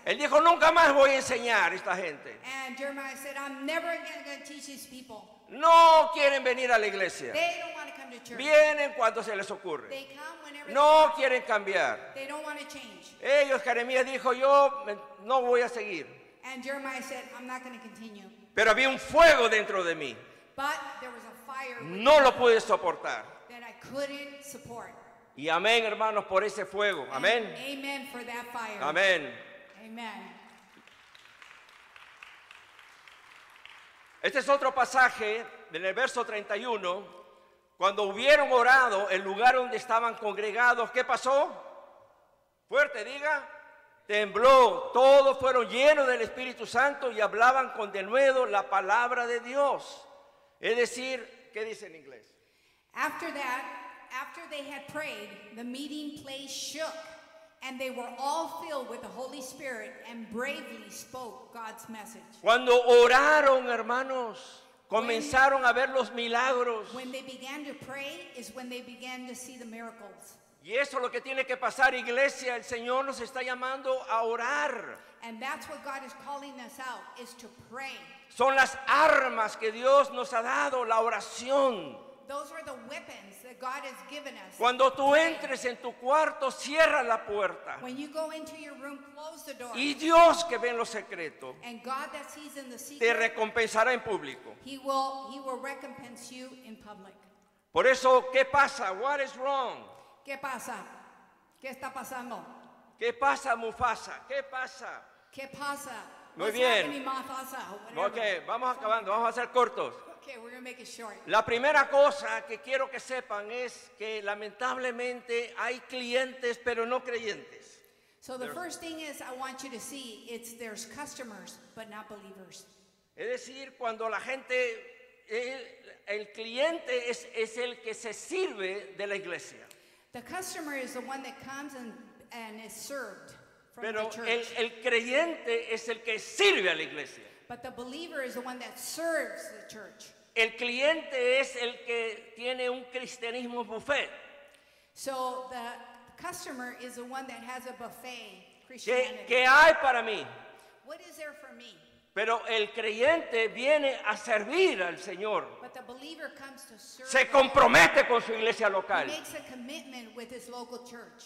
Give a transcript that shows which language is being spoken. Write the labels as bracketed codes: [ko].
[es] Él dijo, nunca más voy a enseñar a esta gente. [en] And Jeremiah said, I'm never again going to teach these people. [es] No quieren venir a la iglesia. [en] They don't want to come to church. [es] Vienen cuando se les ocurre. [en] They come whenever [es] no quieren cambiar. [en] They don't want to change. [es] Ellos, Jeremías dijo, yo no voy a seguir. [en] And Jeremiah said, I'm not going to continue. [es] Pero había un fuego dentro de mí. [en] But there was a fire. [es] No lo pude soportar. [en] That I couldn't support. [es] Y amén, hermanos, por ese fuego. Amén. [en] Amen for that fire. [es] Amén. [en] Amen. [es] Este es otro pasaje en el verso 31. Cuando hubieron orado, el lugar donde estaban congregados, ¿qué pasó? Fuerte, diga. Tembló, todos fueron llenos del Espíritu Santo y hablaban con denuedo la palabra de Dios. Es decir, ¿qué dice en inglés? [en] After that, after they had prayed, the meeting place shook, and they were all filled with the Holy Spirit and bravely spoke God's message. [es] Cuando oraron, hermanos, comenzaron a ver los milagros. [en] When they began to pray is when they began to see the miracles. [es] Y eso es lo que tiene que pasar, iglesia. El Señor nos está llamando a orar. [en] And that's what God is calling us out, is to pray. [es] Son las armas que Dios nos ha dado, la oración. [en] Those are the weapons that God has given us. [es] Cuando tú entres en tu cuarto, cierra la puerta. [en] When you go into your room, close the door. [es] Y Dios que ve en lo secreto, [en] and God that sees in the secret, [es] te recompensará en público. [en] He will recompense you in public. [es] Por eso, ¿qué pasa? [en] What is wrong? [es] ¿Qué pasa? ¿Qué está pasando? ¿Qué pasa, Mufasa? ¿Qué pasa? ¿Qué pasa? Muy bien. [en] Ok, [es] vamos acabando, vamos a hacer cortos. [en] Okay, we're gonna make it short. [es] La primera cosa que quiero que sepan es que lamentablemente hay clientes, pero no creyentes. [en] So the first thing is I want you to see it's there's customers but not believers. [es] Es decir, cuando la gente el cliente es el que se sirve de la iglesia. [en] The customer is the one that comes and is served from [es] Pero [en] the church. [es] El creyente es el que sirve a la iglesia. [en] But the believer is the one that serves the church. [es] El cliente es el que tiene un cristianismo buffet. [en] So the customer is the one that has a buffet [es] Christianity. ¿Qué hay para mí? [en] What is there for me? [es] Pero el creyente viene a servir al Señor. [en] But the believer comes to serve. [es] Se compromete con su iglesia local. [en] He makes a commitment with his local church.